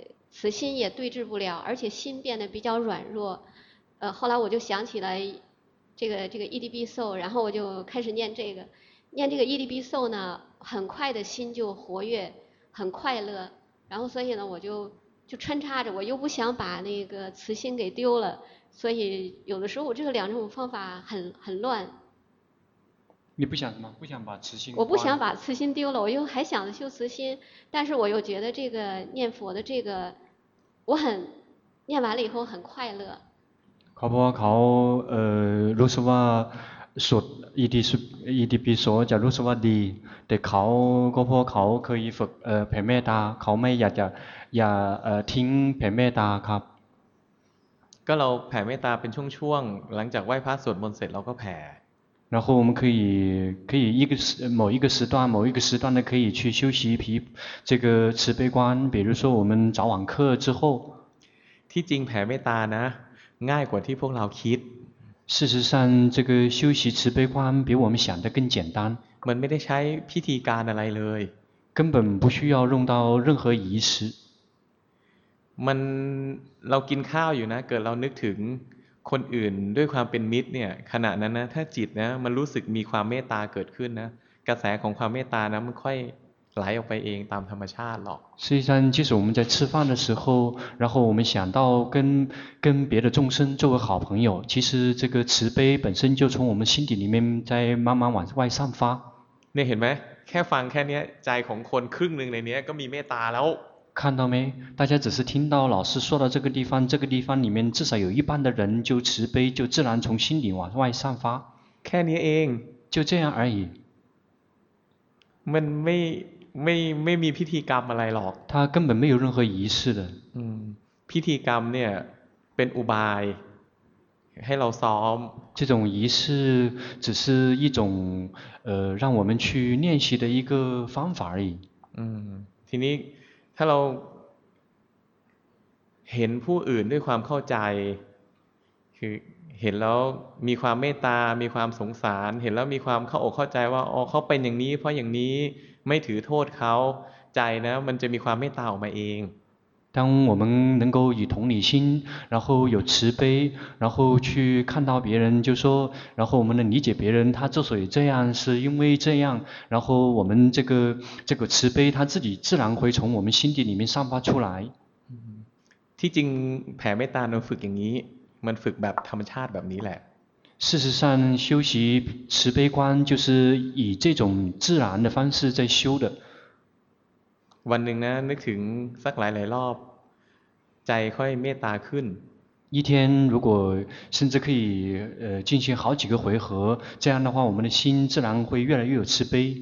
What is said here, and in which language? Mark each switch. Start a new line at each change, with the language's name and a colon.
Chinese: 慈心也对治不了而且心变得比较软弱后来我就想起来这个 EDB Soul 然后我就开始念这个念这个 EDB Soul 呢很快的心就活跃很快乐然后所以呢我就穿插着我又不想把那个慈心给丢了所以有的时候我这个两种方法很乱你不想什么不想把慈心我不想把慈心丢了我又还想着修慈心但是我又觉得这个念佛的这个我很念完了以后很快乐
Thai: เขาบอกว่าเขารู้สึกว่าสวด EDP สวดจะรู้สึกว่าดีแต่เขาก็เพราะเขาเคยฝึกแผ่เมตตาเขาไม่อยากจะอย่าทิ้งแผ่เมตตาครับ ก็เราแผ่เมตตาเป็นช่วงๆหลังจากไหว้พระสวดมนต์เสร็จเราก็แผ่
Chinese: 然后我们可以某一个时段的可以去修习皮这个慈悲观比如说我们早晚课之后
Thai: ที่จริงแผ่เมตตานะง่ายกว่าที่พวกเราคิด
Chinese: 事实上这个修习慈悲观比我们想的更简单
Thai: มันไม่ได้ใช้พิธีการอะไรเลย
Chinese: 根本不需要用到任何仪式
Thai: มันเรากินข้าวอยู่นะเกิดเรานึกถึงคนอื่นด้วยความเป็นมิตรเนี่ยขณะนั้นนะถ้าจิตนะมันรู้สึกมีความเมตตาเกิดขึ้นนะกระแสของความเมตตานะมันค่อยไหลออกไปเองตามธรรมชาติหรอก
Chinese: 事实上即使我们在吃饭的时候然后我们想到跟别的众生作为好朋友其实这个慈悲本身就从我们心底里面在慢慢往外散发
Thai: เนี่ยเห็นไหมแค่ฟังแค่นี้ใจของคนครึ่งหนึ่งในนี้ก็มีเมตตาแล้ว
Chinese: 看到没大家只是听到老师说到这个地方里面至少有一半的人就慈悲就自然从心里往外散发
Thai: แค่นี้เอง
Chinese: 就这样而已
Thai: มันไม่มีพิธีกรรมอะไรหรอก
Chinese: 它根本没有任何仪式的
Thai: พิธีกรรมเนี่ยเป็นอุบายให้เราซ้อม
Chinese: 这种仪式只是一种让我们去练习的一个方法而已
Thai: ทีนี้ถ้าเราเห็นผู้อื่นด้วยความเข้าใจคือเห็นแล้วมีความเมตตามีความสงสารเห็นแล้วมีความเข้าอกเข้าใจว่าอ๋อเขาเป็นอย่างนี้เพราะอย่างนี้ไม่ถือโทษเขาใจนะมันจะมีความเมตตาออกมาเอง
Chinese: 当我们能够以同理心然后有慈悲然后去看到别人就说然后我们能理解别人他之所以这样是因为这样然后我们这个慈悲他自己自然会从我们心底里面散发出来
Thai: ที่จริงแผ่เมตตาเราฝึกอย่างนี้มันฝึกแบบธรรมชาติแบบนี้แหละ
Chinese: 事实上修习慈悲观就是以这种自然的方式在修的
Thai: วันหนึ่งนะนึกถึงสักหลายรอบใจค่อยเมตตาขึ้น
Chinese: 一天如果甚至可以进行好几个回合这样的话我们的心自然会越来越有慈悲